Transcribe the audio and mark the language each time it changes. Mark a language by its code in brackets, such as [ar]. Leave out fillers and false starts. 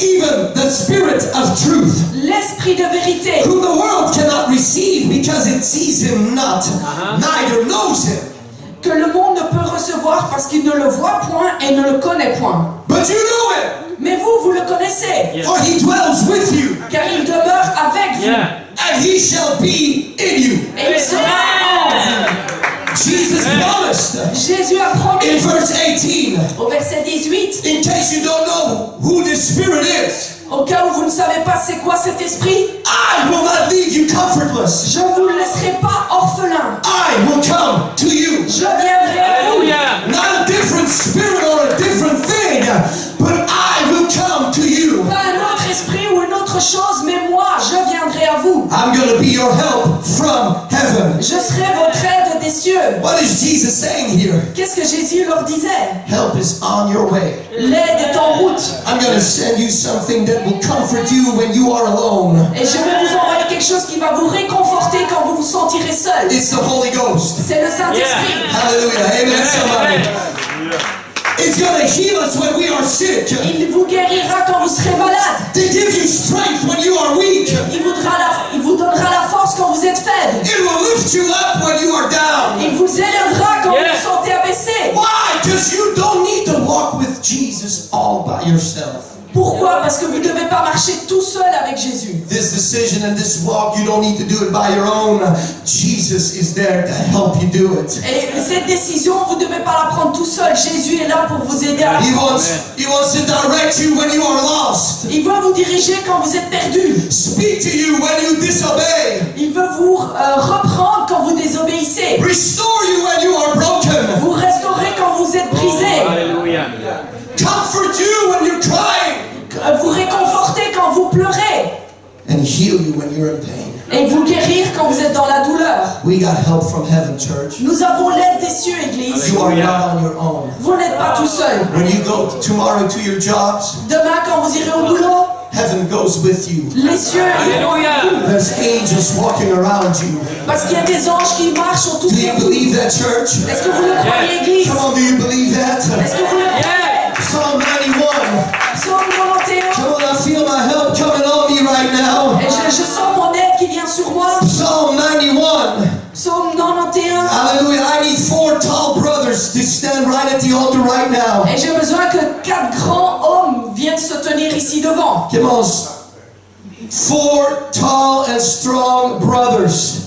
[en] Even the Spirit of Truth, [fr] l'Esprit de vérité, [en] whom the world cannot receive because it sees him not, neither knows him. [fr] Que le monde ne peut recevoir parce qu'il ne le voit point et ne le connaît point. [en] But you know it. [fr] Mais vous, vous le connaissez. [en] Yeah. For he dwells with you. [fr] Car il demeure avec vous. [en] Yeah. And he shall be in you. [fr] Et il sera en vous. [en] Jesus promised. [fr] Jésus a promis. [en] In verse 18. [fr] Au verset 18. [en] In case you don't know who this Spirit is. [fr] Au cas où vous ne savez pas c'est quoi cet esprit. [en] I will not leave you comfortless. [fr] Je ne vous laisserai pas orphelin. [en] I will come to you. [fr] Je viendrai à vous. [en] Not a different spirit or a different thing, but I will come to you. [fr] Pas un autre esprit ou une autre chose, mais moi, je viendrai à vous. [en] I'm gonna be your help from heaven. [fr] Je serai votre aide. [en] What is Jesus saying here? [fr] Qu'est-ce que Jésus leur disait? [en] Help is on your way. [fr] L'aide est en route. [en] I'm going to send you something that will comfort you when you are alone. [fr] Et je vais vous envoyer quelque chose qui va vous réconforter quand vous vous sentirez seul. [en] It's the Holy Ghost. [fr] C'est le Saint-Esprit. Yeah. [en] Hallelujah. Amen, somebody. It's going to heal us when we are sick. [fr] Il vous guérira quand vous serez malade. [en] It gives you strength when you are weak. [fr] Il vous donnera la force quand vous êtes faible. [en] It will lift you up when you are down. [fr] Il vous élèvera quand vous vous sentez abaissé. [en] Why? Because you don't need to walk with Jesus all by yourself. [fr] Pourquoi? Parce que vous ne devez pas marcher tout seul avec Jésus. [en] This decision and this walk, you don't need to do it by your own. Jesus is there to help you do it. [fr] Et cette décision, vous ne devez pas la prendre tout seul. Jésus est là pour vous aider à la prendre. [en] He wants to direct you when you are lost. [fr] Il veut vous diriger quand vous êtes perdu. [en] Speak to you when you disobey. [fr] Il veut vous reprendre quand vous désobéissez. [en] Restore you when you are broken. [fr] Vous restaurer quand vous êtes brisé. [en] Oh, hallelujah. Comfort you when you're crying. [fr] Vous réconforter quand vous pleurez. [en] And heal you when you're in pain. [fr] Et vous guérir quand vous êtes dans la douleur. [en] We got help from heaven, church. [fr] Nous avons l'aide des cieux, Église. [en] You are not on your own. [fr] Vous n'êtes pas tout seul. [en] When you go tomorrow to your jobs, [fr] demain quand vous irez au boulot, [en] heaven goes with you. [fr] Les cieux iront avec vous. [en] There's angels walking around you. [fr] Parce qu'il y a des anges qui marchent autour de vous. [en] Do you believe that, church? [fr] Est-ce que vous le croyez, Église? [en] Come on, do you believe that? [fr] Est-ce que vous le croyez? [en] Psalm 91. Come on, I feel my help coming on me right now. [fr] Et je sens mon aide qui vient sur moi. [en] Psalm 91. Hallelujah. I need four tall brothers to stand right at the altar right now. [fr] Et j'ai besoin que quatre grands hommes viennent se tenir ici devant. [en] Come on. Four tall and strong brothers.